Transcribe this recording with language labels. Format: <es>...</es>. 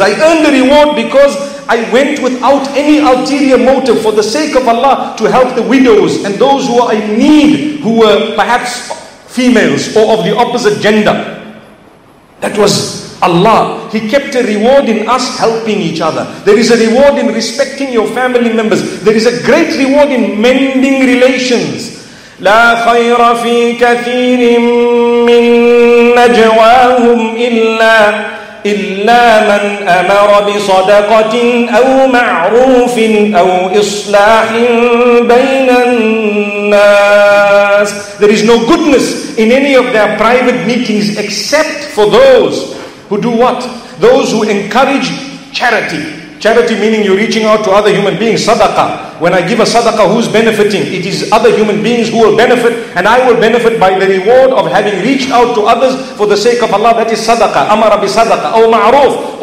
<en>I earned a reward because I went without any ulterior motive for the sake of Allah to help the widows and those who are in need, who were perhaps females or of the opposite gender. That was Allah. He kept a reward in us helping each other. There is a reward in respecting your family members. There is a great reward in mending relations.</en> <ar>لا خير في كثير من نجواهم إلا من أمر بصدقة أو معروف أو إصلاح بين الناس.</ar> <en>There is no goodness in any of their private meetings except for those who do what? Those who encourage charity. Charity meaning you're reaching out to other human beings. Sadaqah. When I give a sadaqah, who's benefiting? It is other human beings who will benefit, and I will benefit by the reward of having reached out to others for the sake of Allah. That is sadaqah.</en> <ar>Amara bi sadaqah. Aw ma'ruf.</ar>